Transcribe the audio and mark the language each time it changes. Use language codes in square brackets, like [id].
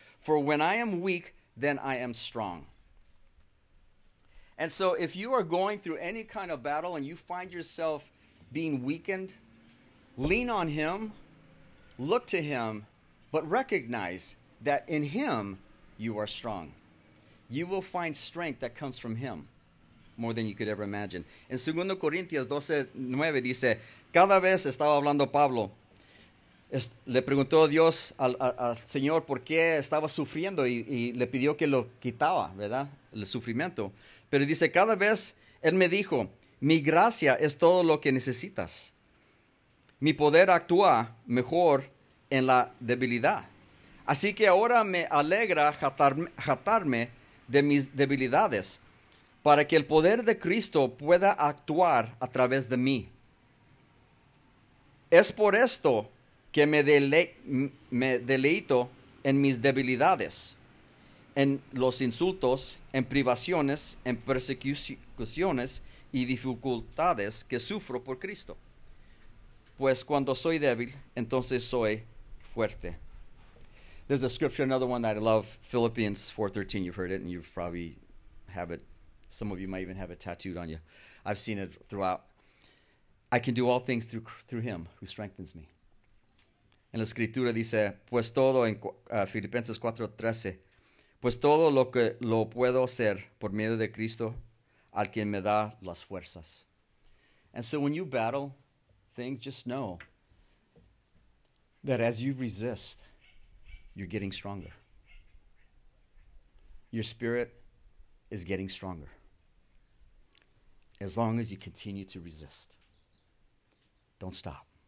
[en] For when I am weak, then I am strong. And so if you are going through any kind of battle and you find yourself being weakened, lean on him, look to him, but recognize that in him you are strong. You will find strength that comes from him more than you could ever imagine. [es] En 2 Corintios 12, 9 dice, cada vez estaba hablando Pablo, le preguntó Dios al Señor por qué estaba sufriendo y le pidió que lo quitaba, ¿verdad? El sufrimiento. Pero dice, cada vez él me dijo, mi gracia es todo lo que necesitas. Mi poder actúa mejor en la debilidad. Así que ahora me alegra jatarme de mis debilidades para que el poder de Cristo pueda actuar a través de mí. Es por esto que me deleito en mis debilidades, en los insultos, en privaciones, en persecuciones y dificultades que sufro por Cristo. Pues cuando soy débil, entonces soy fuerte. [en] There's a scripture, another one that I love, Philippians 4:13. You've heard it, and you probably have it. Some of you might even have it tattooed on you. I've seen it throughout. I can do all things through him who strengthens me. [es] En la escritura dice, pues todo, en Filipenses 4:13, pues todo lo que lo puedo hacer por medio de Cristo, al quien me da las fuerzas. [en] And so when you battle things, just know that as you resist, you're getting stronger. Your spirit is getting stronger. As long as you continue to resist, don't stop.